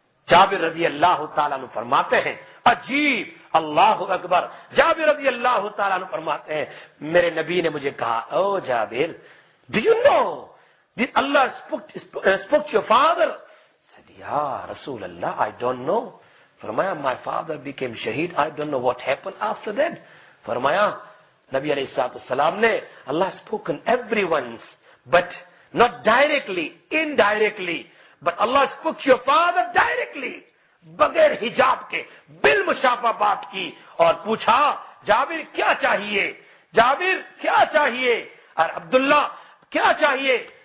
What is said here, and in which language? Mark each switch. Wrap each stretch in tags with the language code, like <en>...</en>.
<ur>جابر رضی اللہ تعالیٰ عنہ فرماتے ہیں، عجیب، اللہ اکبر، جابر رضی اللہ تعالیٰ عنہ فرماتے ہیں، میرے نبی نے مجھے کہا، او جابر،</ur> <en>do you know did Allah spoke to your father؟</en> <ur>said یا رسول اللہ</ur> <en>I don't know. فرمایا my father became شہید، I don't know what happened after that.</en> <ur>فرمایا نبی علیہ السلام نے،</ur> <en>Allah spoken everyone's but not directly indirectly but Allah spoke to your father directly</en> <ur>بغیر حجاب کے، بل مشافہ بات کی اور پوچھا جابر کیا چاہیے، جابر کیا چاہیے، اور عبداللہ کیا چاہیے.</ur>